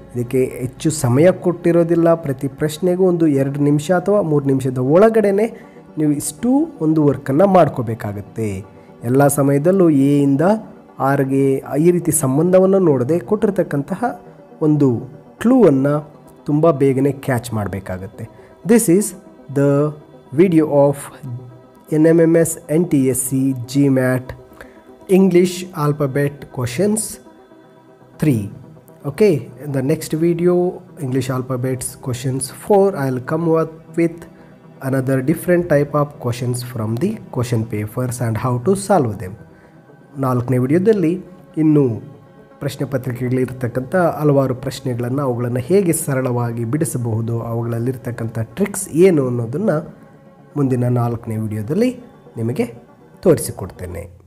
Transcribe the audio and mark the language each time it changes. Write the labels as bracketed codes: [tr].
[kn] ಇದಕ್ಕೆ ಹೆಚ್ಚು ಸಮಯ ಕೊಟ್ಟಿರೋದಿಲ್ಲ, ಪ್ರತಿ ಪ್ರಶ್ನೆಗೂ ಒಂದು 2 ನಿಮಿಷ ಅಥವಾ 3 ನಿಮಿಷದ ಒಳಗಡೆ ನೀವು ಇಷ್ಟು ಒಂದು ವರ್ಕನ್ನು ಮಾಡ್ಕೋಬೇಕಾಗತ್ತೆ. ಎಲ್ಲ ಸಮಯದಲ್ಲೂ ಎಯಿಂದ ಆರ್ಗೆ ಈ ರೀತಿ ಸಂಬಂಧವನ್ನು ನೋಡದೆ ಕೊಟ್ಟಿರ್ತಕ್ಕಂತಹ ಒಂದು ಕ್ಲೂವನ್ನು ತುಂಬ ಬೇಗನೆ ಕ್ಯಾಚ್ ಮಾಡಬೇಕಾಗತ್ತೆ. [en] This is the video of NMMS NTSE GMAT English Alphabet Questions 3. Okay, in the next video, English Alphabets Questions 4, I'll come up with another different type of questions from the question papers and how to solve them. [kn] ನಾಲ್ಕನೇ ವಿಡಿಯೋದಲ್ಲಿ ಇನ್ನೂ ಪ್ರಶ್ನೆ ಪತ್ರಿಕೆಗಳಿರ್ತಕ್ಕಂಥ ಹಲವಾರು ಪ್ರಶ್ನೆಗಳನ್ನು, ಅವುಗಳನ್ನು ಹೇಗೆ ಸರಳವಾಗಿ ಬಿಡಿಸಬಹುದು, ಅವುಗಳಲ್ಲಿರ್ತಕ್ಕಂಥ ಟ್ರಿಕ್ಸ್ ಏನು ಅನ್ನೋದನ್ನು ಮುಂದಿನ 4ನೇ ವಿಡಿಯೋದಲ್ಲಿ ನಿಮಗೆ ತೋರಿಸಿಕೊಡ್ತೇನೆ.